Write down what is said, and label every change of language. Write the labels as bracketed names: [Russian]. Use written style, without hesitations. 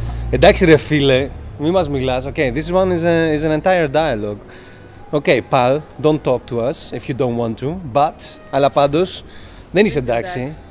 [Greek] Εντάξει ρε φίλε, μη μας μιλάς. [English] Okay, this one is an entire dialogue. Okay, pal, don't talk to us if you don't want to. [Greek] But, αλλά πάντως, δεν είσαι εντάξει.